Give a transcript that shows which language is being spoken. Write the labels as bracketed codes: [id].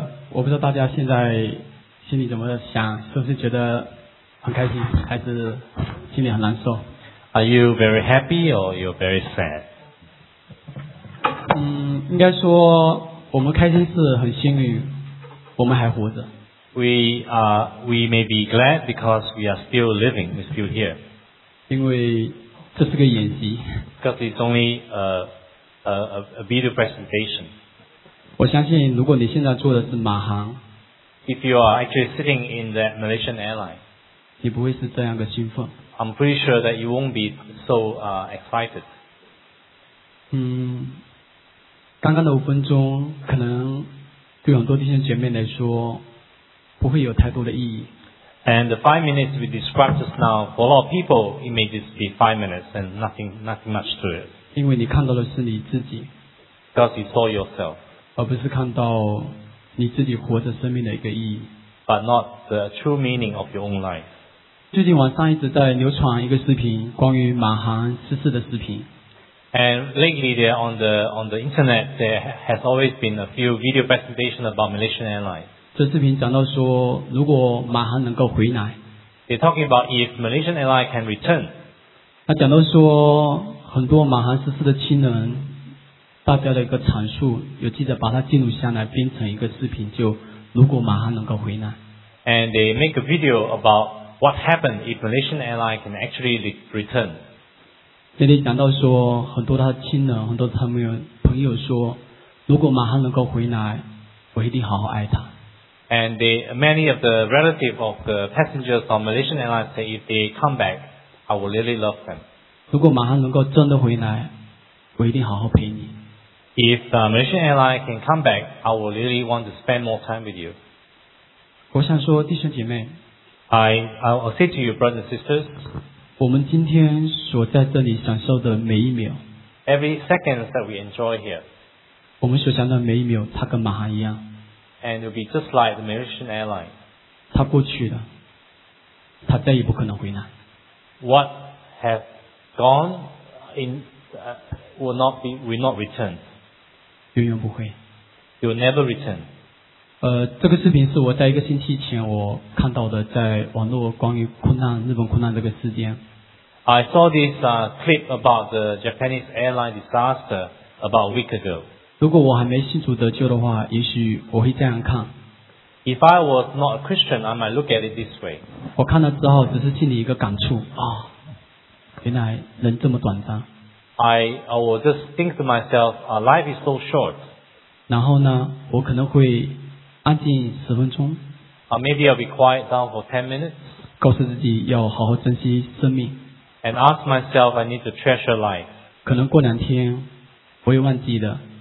[zh] 我不知道大家现在心里怎么想，是不是觉得很开心，还是心里很难受？ [en] Are you very happy or you're very sad? [zh] 应该说我们开心是很幸运，我们还活着。 [en] We may be glad because we are still living, we're still here. [zh] 因为这是个演习。 [en] Because it's only a video presentation. [zh] 我相信如果你现在坐的是马航， [en] If you are actually sitting in that Malaysian airline, [zh] 你不会是这样的兴奋。 [en] I'm pretty sure that you won't be so excited. [zh] 刚刚的五分钟可能对很多弟兄姐妹来说不会有太多的意义。 [en] And the 5 minutes we described just now, for a lot of people, it may just be 5 minutes and nothing much to it. [zh] 因为你看到的是你自己。 [en] Because you saw yourself. [zh] 而不是看到你自己活着生命的一个意义。 [en] But not the true meaning of your own life. [zh] 最近晚上一直在流传一个视频，关于马航失事的视频。 [en] And lately there on the internet, there has always been a few video presentations about Malaysian Airlines. [zh] 这视频讲到说，如果马航能够回来 [en] ，They're talking about if Malaysian Airlines can return。 [zh] 那讲到说，很多马航失事的亲人，大家的一个阐述，有记者把它记录下来，编成一个视频，就如果马航能够回来。 [en] And they make a video about what happened if Malaysian Airlines can actually return。 [zh] 那里讲到说，很多他的亲人，很多他们有朋友说，如果马航能够回来，我一定好好爱他。 [en] And many of the relatives of the passengers on Malaysian Airlines say if they come back, I will really love them. [zh] 如果马航能够真的回来，我一定好好陪你。 [en] If Malaysian Airlines can come back, I will really want to spend more time with you. [zh] 我想说弟兄姐妹， [en] I will say to you, brothers and sisters, [zh] 我们今天所在这里享受的每一秒， [en] every second that we enjoy here, [zh] 我们所享的每一秒它跟马航一样。 [en] And it will be just like the Malaysian Airline. [zh] 他过去了，他再也不可能回来。 [en] What have gone in will not return. [zh] 永远不会。 [en] You'll never return. [zh] 这个视频是我在一个星期前我看到的，在网络关于空难日本空难这个事件。 [en] I saw this clip about the Japanese airline disaster about a week ago. [zh] 如果我还没信主得救的话，也许我会这样看。 [en] If I was not a Christian, I might look at it this way. [zh] 我看了之后，只是心里一个感触啊、哦，原来人这么短暂。 [en] I will just think to myself, life is so short. [zh] 然后呢，我可能会安静十分钟。 [en] Maybe I'll be quiet down for 10 minutes. [zh] 告诉自己要好好珍惜生命。 [en] And ask myself, I need to treasure life. [zh] 可能过两天，我也忘记了。